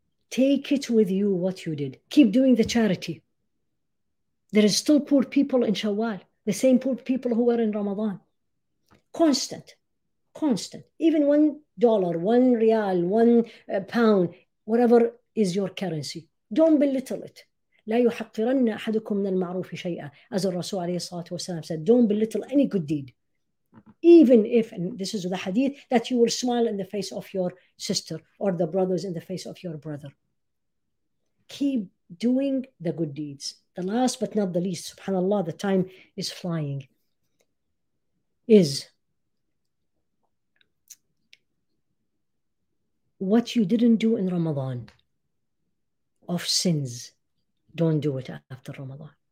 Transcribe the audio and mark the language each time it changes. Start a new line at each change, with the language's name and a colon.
English: Take it with you what you did. Keep doing the charity. There is still poor people in Shawwal. The same poor people who were in Ramadan. Constant. Even $1, $1, £1, whatever is your currency. Don't belittle it.
Arabic: لا يحقرن أحدكم من المعروف شيئا.
English: As the Rasul عليه الصلاة والسلام said, don't belittle any good deed. Even if, and this is the hadith, that you will smile in the face of your sister or the brothers in the face of your brother. Keep doing the good deeds. The last but not the least, subhanAllah, the time is flying, is what you didn't do in Ramadan of sins, don't do it after Ramadan.